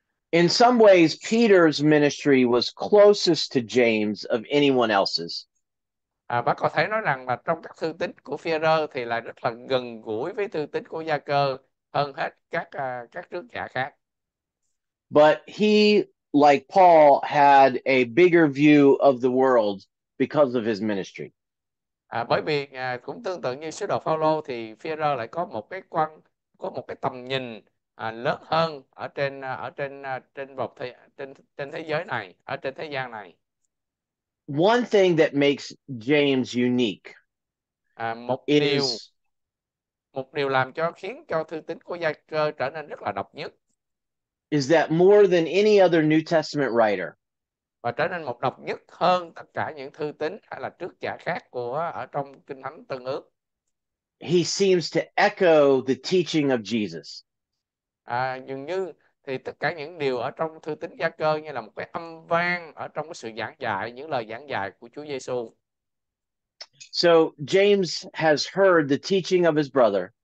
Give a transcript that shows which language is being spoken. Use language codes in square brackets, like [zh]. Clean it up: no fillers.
[en] In some ways, Peter's ministry was closest to James of anyone else's. [vi] À, bác có thể nói rằng là trong các thư tín của Phêrô thì lại rất là gần gũi với thư tín của Gia Cơ hơn hết các trước giả khác. [en] But he, like Paul, had a bigger view of the world because of his ministry. [vi] À, bởi vì cũng tương tự như sứ đồ Phaolô thì Phêrô lại có một cái tầm nhìn lớn hơn trên thế giới này, ở trên thế gian này. [en] One thing that makes James unique À, is [vi] một điều làm cho khiến cho thư tín của Gia Cơ trở nên rất là độc nhất [en] that more than any other New Testament writer, [vi] và trở nên một độc nhất hơn tất cả những thư tín hay là trước giả khác của ở trong Kinh Thánh Tân Ước. [en] he seems to echo the teaching of Jesus. [vi] À, dường như thì tất cả những điều ở trong thư tín Gia Cơ như là một cái âm vang ở trong cái sự giảng dạy, những lời giảng dạy của Chúa Giêsu. [en] So James has heard the teaching of his brother.